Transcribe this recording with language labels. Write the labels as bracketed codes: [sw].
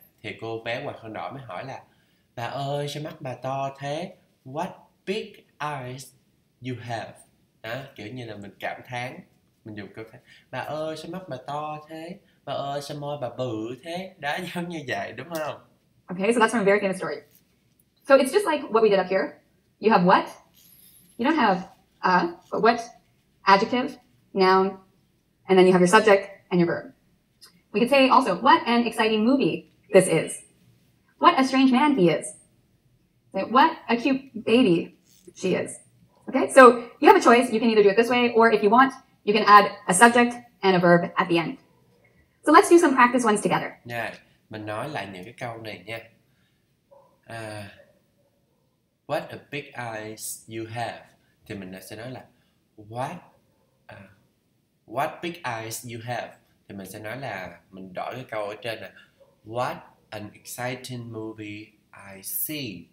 [vi] Thì cô bé quàng khăn đỏ mới hỏi là bà ơi, sao mắt bà to thế? [en] What big eyes you have? [vi] Đó, kiểu như là mình cảm thán, mình dùng câu thán. Bà ơi, sao mắt bà to thế? Bà ơi, sao môi bà bự thế? Đó, giống như vậy, đúng không? [en] Okay, so that's from a very famous story. So it's just like what we did up here. You have what? You don't have a, but what? Adjective, noun, and then you have your subject and your verb. We could say also, what an exciting movie this is. What a strange man he is. What a cute baby she is. Okay, so you have a choice. You can either do it this way, or if you want, you can add a subject and a verb at the end. So let's do some practice ones together. [vi] Yeah, mình nói lại những cái câu này nha. [en] What a big eyes you have. [vi] Thì mình sẽ nói là [en] what big eyes you have. [vi] Thì mình sẽ nói là mình đổi cái câu ở trên là [en] what an exciting movie I see.